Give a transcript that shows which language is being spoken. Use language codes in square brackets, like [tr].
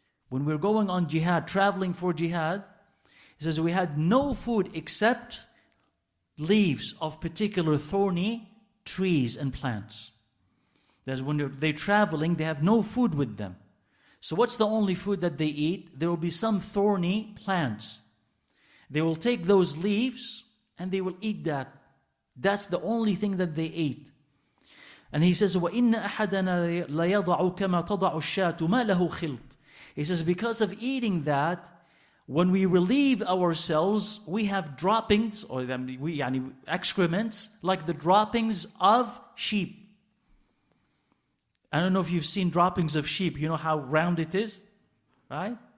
[en] When we're going on jihad, traveling for jihad, he says, we had no food except leaves of particular thorny trees and plants. That's when they're traveling, they have no food with them. So what's the only food that they eat? There will be some thorny plants. They will take those leaves and they will eat that. That's the only thing that they eat. And he says, [ar] وَإِنَّ أَحَدَنَا لَيَضَعُ كَمَا تَضَعُ الشَّاتُ مَا لَهُ خِلْطُ. [en] He says, because of eating that, when we relieve ourselves, we have droppings, or excrements, like the droppings of sheep. I don't know if you've seen droppings of sheep. You know how round it is, right?